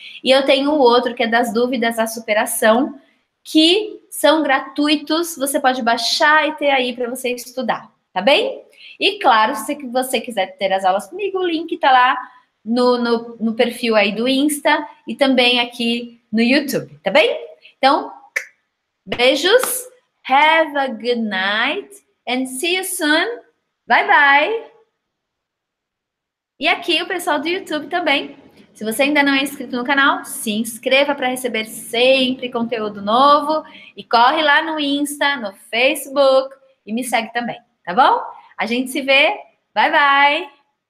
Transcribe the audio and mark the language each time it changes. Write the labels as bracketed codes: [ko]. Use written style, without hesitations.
[pt] E eu tenho o outro, que é das dúvidas à superação, que são gratuitos, você pode baixar e ter aí para você estudar, tá bem? E claro, se você quiser ter as aulas comigo, o link está lá no perfil aí do Insta e também aqui no YouTube, tá bem? Então, beijos, [en] have a good night and see you soon. Bye bye! [pt] E aqui o pessoal do YouTube também. Se você ainda não é inscrito no canal, se inscreva para receber sempre conteúdo novo e corre lá no Insta, no Facebook e me segue também, tá bom? A gente se vê. [en] Bye bye!